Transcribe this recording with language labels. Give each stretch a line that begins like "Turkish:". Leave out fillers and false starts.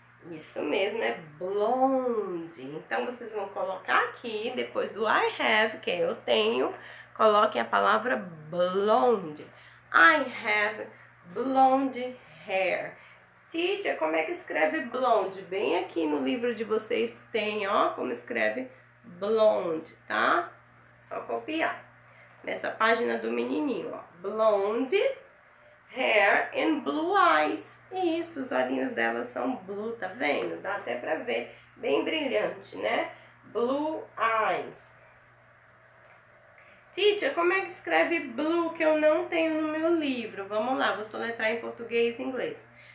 Portuguese: Isso mesmo, é blonde. Então, vocês vão colocar aqui, depois do
English: I have,
Portuguese: que eu tenho, coloquem a palavra blonde.
English: I have blonde hair.
Portuguese: Teacher, como é que escreve blonde? Bem aqui no livro de vocês tem, ó, como escreve blonde, tá? Só copiar. Nessa página do menininho, ó.
English: Blonde hair and blue eyes.
Portuguese: Isso, os olhinhos dela são blue, tá vendo? Dá até pra ver. Bem brilhante, né?
English: Blue eyes.
Portuguese: Teacher, como é que escreve blue que eu não tenho no meu livro? Vamos lá, vou soletrar em português e inglês.